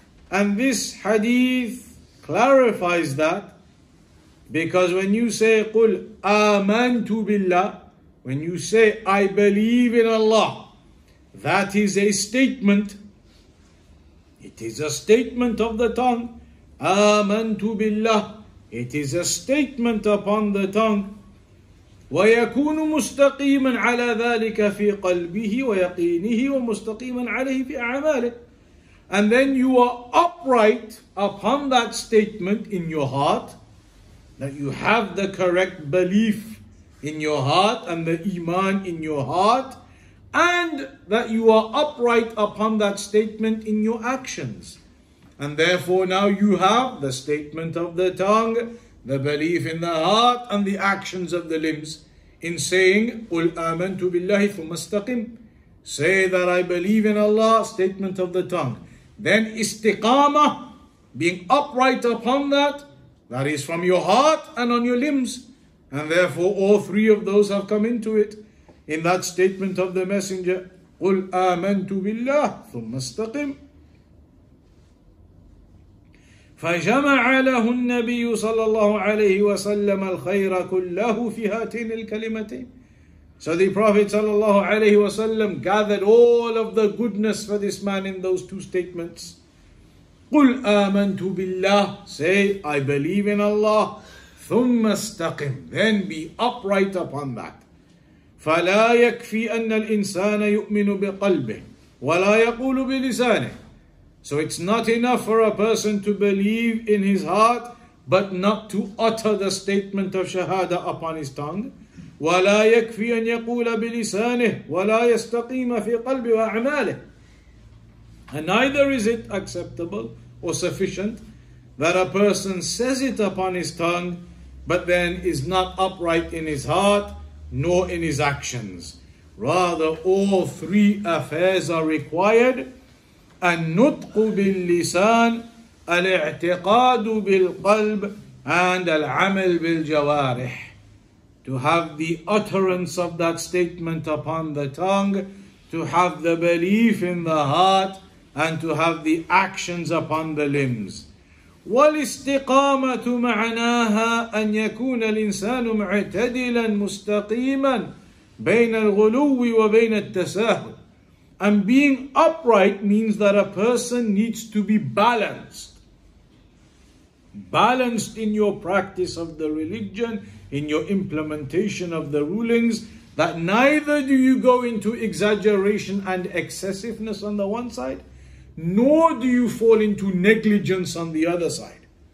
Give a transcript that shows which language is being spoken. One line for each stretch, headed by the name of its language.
English: And this hadith clarifies that, because when you say
Arabic: قُلْ آمَنْتُ بِاللَّهِ,
English: when you say I believe in Allah, that is a statement. It is a statement of the tongue.
Arabic: آمَنْتُ بِاللَّهِ,
English: it is a statement upon the tongue.
Arabic: ويكون مستقيما على ذلك في قلبه ويقينه ومستقيما عليه في أعماله.
English: And then you are upright upon that statement in your heart, that you have the correct belief in your heart and the iman in your heart, and that you are upright upon that statement in your actions. And therefore now you have the statement of the tongue, the belief in the heart, and the actions of the limbs. In saying,
Arabic: قُلْ آمَنْتُ بِاللَّهِ ثُمَّ اسْتَقِمْ,
English: say that I believe in Allah, statement of the tongue. Then istiqama, being upright upon that is from your heart and on your limbs. And therefore all three of those have come into it, in that statement of the messenger,
Arabic: قُلْ آمَنْتُ بِاللَّهِ ثُمَّ اسْتَقِمْ. فَجَمَعَ لَهُ النَّبِيُّ صَلَّى اللَّهُ عَلَيْهِ وَسَلَّمَ الْخَيْرَ كُلَّهُ فِي هَاتَيْنِ الْكَلِمَتَيْنِ.
English: So the Prophet
Arabic: صلى الله عليه وسلم
English: gathered all of the goodness for this man in those two statements.
Arabic: قُلْ آمَنْتُ بِاللَّهِ,
English: say, I believe in Allah.
Arabic: ثُمَّ اسْتَقِمْ,
English: then be upright upon that.
Arabic: فَلَا يَكْفِي أَنَّ الْإِنسَانَ يُؤْمِنُ بِقَلْبِهِ وَلَا يَقُولُ بِلِسَانِهِ.
English: So it's not enough for a person to believe in his heart, but not to utter the statement of shahada upon his tongue.
Arabic: وَلَا يَكْفِي أَنْ يَقُولَ بِلِسَانِهِ وَلَا يَسْتَقِيمَ فِي قَلْبِ وَأَعْمَالِهِ.
English: And neither is it acceptable or sufficient that a person says it upon his tongue, but then is not upright in his heart, nor in his actions. Rather, all three affairs are required.
Arabic: النطق باللسان, الاعتقاد بالقلب,
English: and
Arabic: العمل بالجوارح.
English: To have the utterance of that statement upon the tongue, to have the belief in the heart, and to have the actions upon the limbs.
Arabic: والاستقامة معناها أن يكون الإنسان معتدلا مستقيما بين الغلو وبين التساهل.
English: And being upright means that a person needs to be balanced. Balanced in your practice of the religion, in your implementation of the rulings, that neither do you go into exaggeration and excessiveness on the one side, nor do you fall into negligence on the other side.